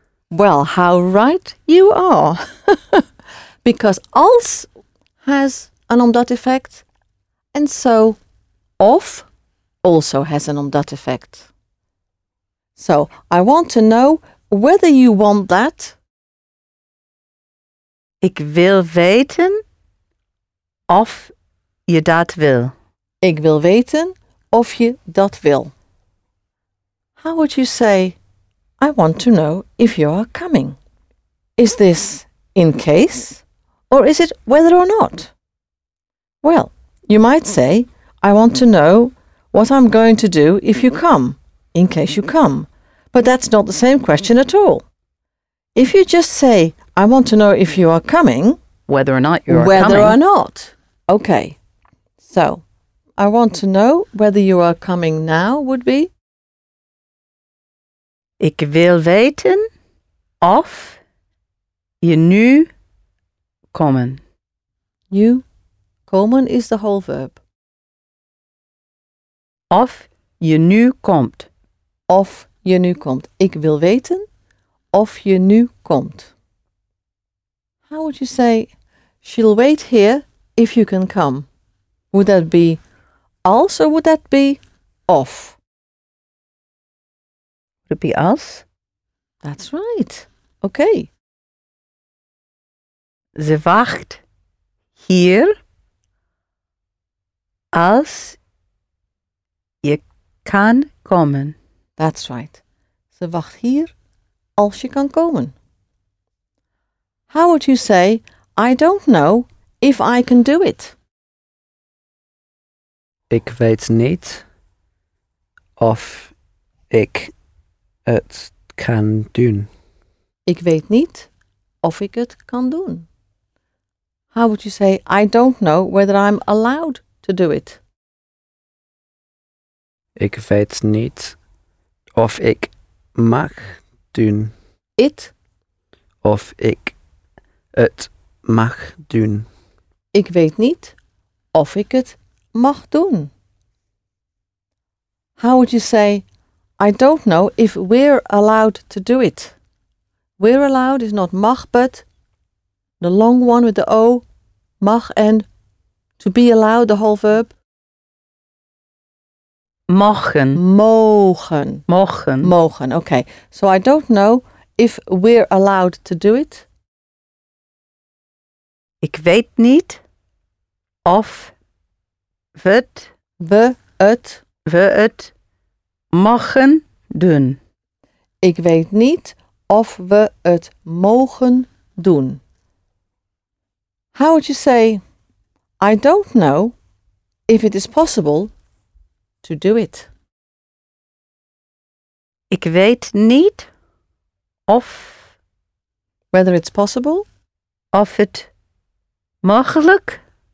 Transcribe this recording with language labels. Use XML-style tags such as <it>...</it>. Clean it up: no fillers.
<en>well, how right you are! Because als has an umlaut effect, and so of also has an umlaut effect. So, I want to know whether you want that.</en> <nl>Ik wil weten of je dat wil. Ik wil weten of je dat wil.</nl> <en>How would you say, I want to know if you are coming? Is this in case or is it whether or not? Well, you might say, I want to know what I'm going to do if you come, in case you come. But that's not the same question at all. If you just say, I want to know if you are coming, Whether or not you are whether or coming. not. Okay, so I want to know whether you are coming now would be.</en> <nl>Ik wil weten of je nu komen.</nl> <en>You, komen is the whole verb.</en> <nl>Of je nu komt. Of je nu komt. Ik wil weten of je nu komt.</nl> <en>How would you say, she'll wait here if you can come? Would that be als or would that be of? Would it be us? That's right. Okay.</en> <nl>Ze wacht hier als je kan komen.</nl> <en>That's right.</en> <nl>Ze wacht hier als je kan komen.</nl> <en>How would you say, I don't know if I can do it?</en> <nl>Ik weet niet of ik het kan doen. Ik weet niet of ik het kan doen.</nl> <en>How would you say, I don't know whether I'm allowed to do it?</en> <nl>Ik weet niet of ik mag doen.</nl> <en>It.</en> <nl>Of ik het mag doen. Ik weet niet of ik het mag doen.</nl> <en>How would you say, I don't know if we're allowed to do it? We're allowed is not mag, but the long one with the O, mag and to be allowed, the whole verb.</en> <nl>Morgen. Mogen. Morgen. Mogen. Okay.</nl> <en>So I don't know if we're allowed to do it.</en> <nl>Ik weet niet Of wird we het we het mogen doen. Ik weet niet of we het mogen doen.</nl> <en>How would you say, I don't know if it is possible to do it?</en> <nl>Ik weet niet of</nl> <en>whether it's possible</en> <nl>of het mogelijk</nl>